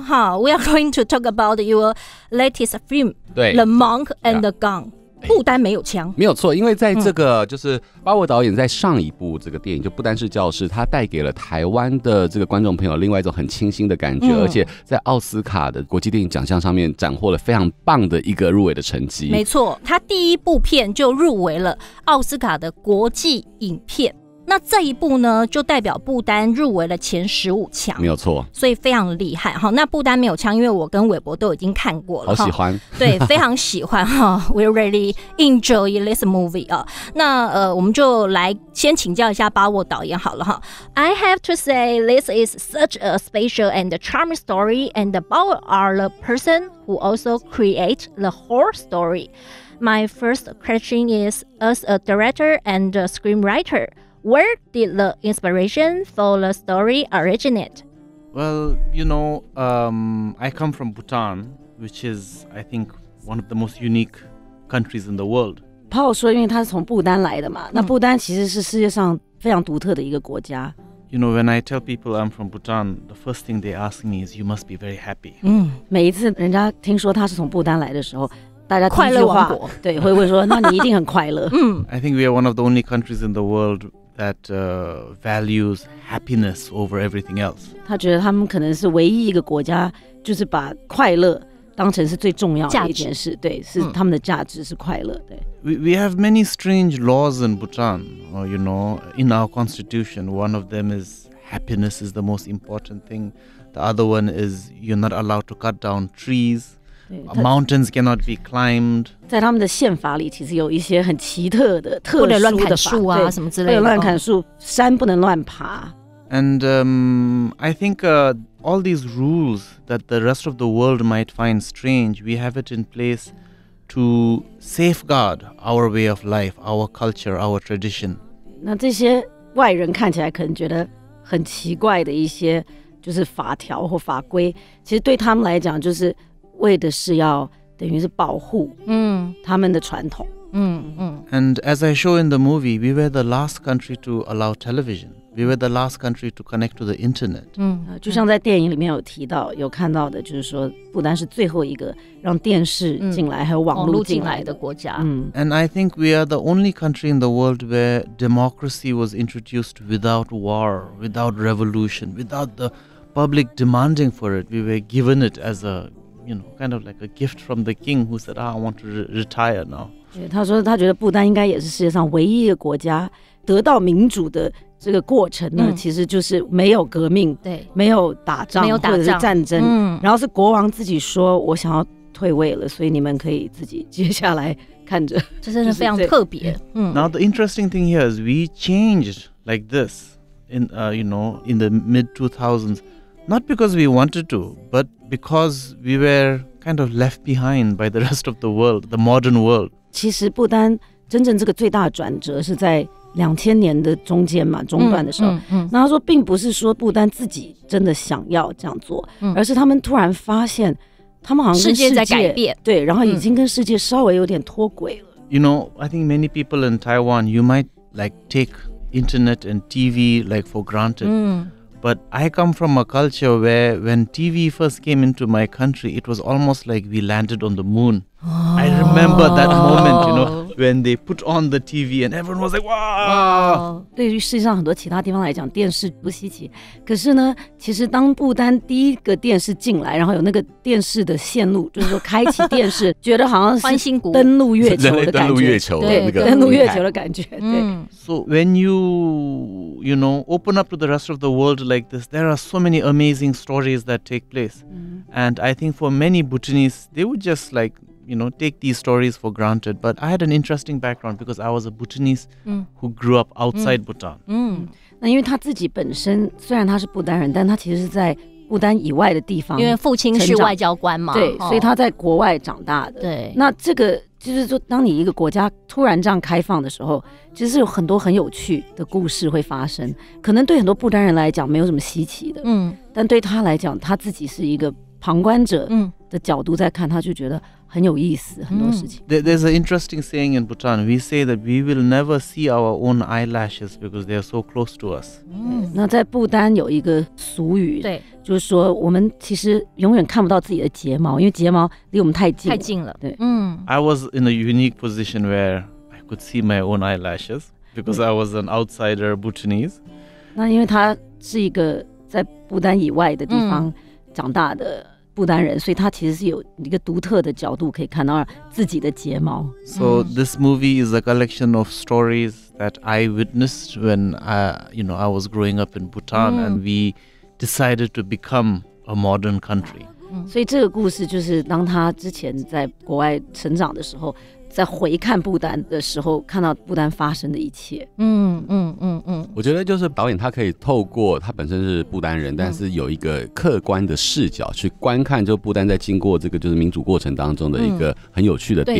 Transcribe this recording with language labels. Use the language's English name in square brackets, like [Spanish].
[English] 好 ，We are going to talk about your latest film， [Chinese] 对，The Monk and the Gun。 不丹没有枪，没有错，因为在这个就是巴沃导演在上一部这个电影就不丹是教室，他带给了台湾的这个观众朋友另外一种很清新的感觉，而且在奥斯卡的国际电影奖项上面斩获了非常棒的一个入围的成绩。没错，他第一部片就入围了奥斯卡的国际影片，那这一部呢就代表不丹入围了前15强，没有错，所以非常厉害。好，那不丹没有枪，因为我跟韦博都已经看过了，好喜欢，对，非常喜欢 [English] We really enjoy this movie。 [Chinese] 那我们就来先请教一下巴沃导演好了。 [English] I have to say this is such a special and charming story, and Bao are the person who also create the whole story. My first question is, as a director and a screenwriterWhere did the inspiration for the story originate? Well, you know, I come from Bhutan, which is, I think, one of the most unique countries in the world. [Chinese] Paul 说因为他是从不丹来的嘛，那不丹其实是世界上非常独特的一个国家。 [English] You know, when I tell people I'm from Bhutan, the first thing they ask me is, you must be very happy. [Chinese] 每一次人家听说他是从不丹来的时候，大家快乐王国，对，会问说，那你一定很快乐。 [English] I think we are one of the only countries in the world that values happiness over everything else. [Chinese] 他觉得他们可能是唯一一个国家，就是把快乐当成是最重要的一件事。对，是他们的价值是快乐。对。 [English] We have many strange laws in Bhutan, or, you know, in our constitution. One of them is happiness is the most important thing. The other one is you're not allowed to cut down trees. Mountains cannot be climbed. [Chinese] 在他们的宪法里其实有一些很奇特的特殊的法，不能乱砍树啊什么之类的，不能乱砍树，山不能乱爬。 [English] And I think all these rules that the rest of the world might find strange, we have it in place to safeguard our way of life, our culture, our tradition. [Chinese] 那这些外人看起来可能觉得很奇怪的一些就是法条或法规，其实对他们来讲就是为的是要等于是保护他们的传统。 [English] And as I show in the movie, we were the last country to allow television. We were the last country to connect to the internet. [Chinese] 就像在电影里面有提到，有看到的，就是说不丹是最后一个让电视进来还有网络进来的国家。 [English] And I think we are the only country in the world where democracy was introduced without war, without revolution, without the public demanding for it. We were given it as a,you know, kind of like a gift from the king who said,I want to retire now. [Chinese] 他说他觉得不丹应该也是世界上唯一的国家得到民主的这个过程呢，其实就是没有革命，对，没有打仗，没有打仗或者是战争，然后是国王自己说我想要退位了，所以你们可以自己接下来看着，这真的非常特别。 [English] Now the interesting thing here is we changed like this in, you know, in the mid-2000s. Not because we wanted to, but because we were kind of left behind by the rest of the world, the modern world. [Chinese] 其实不丹真正这个最大的转折是在2000年的中间嘛，中段的时候。那他说，并不是说不丹自己真的想要这样做，而是他们突然发现，他们好像世界在改变，对，然后已经跟世界稍微有点脱轨了。 [English] You know, I think many people in Taiwan, you might like take internet and TV like for granted. But I come from a culture where when TV first came into my country, it was almost like we landed on the moon. I remember that moment, you know, when they put on the TV and everyone was like, wow! [Chinese] 对于世界上很多其他地方来讲，电视不稀奇。可是呢，其实当不丹第一个电视进来，然后有那个电视的线路，就是说开启电视，觉得好像是登陆月球的感觉。登陆月球的那个。登陆月球的感觉，对。 [English] So when you know, open up to the rest of the world like this, there are so many amazing stories that take place. And I think for many Bhutanese, they would just like,you know, take these stories for granted. But I had an interesting background because I was a Bhutanese who grew up outside Bhutan. [Chinese] 那因为他自己本身虽然他是不丹人，但他其实是在不丹以外的地方，因为父亲是外交官嘛，对，所以他在国外长大的。对，那这个就是说，当你一个国家突然这样开放的时候，其实有很多很有趣的故事会发生。可能对很多不丹人来讲没有什么稀奇的，但对他来讲，他自己是一个旁观者的角度在看，他就觉得很有意思，很多事情。 [English] There's an interesting saying in Bhutan. We say that we will never see our own eyelashes because they are so close to us. [Chinese] 那在不丹有一个俗语，对，就是说我们其实永远看不到自己的睫毛，因为睫毛离我们太近，太近了。对， [English] I was in a unique position where I could see my own eyelashes because I was an outsider Bhutanese. [Chinese] 那因为他是一个在不丹以外的地方长大的。不丹人，所以他其实是有一个独特的角度可以看到自己的睫毛。 [English] So this movie is a collection of stories that I witnessed when I was growing up in Bhutan, and we decided to become a modern country. [Chinese] 所以这个故事就是当他之前在国外成长的时候，在回看不丹的时候，看到不丹发生的一切。我觉得就是导演他可以透过他本身是不丹人，但是有一个客观的视角去观看，就不丹在经过这个就是民主过程当中的一个很有趣的点。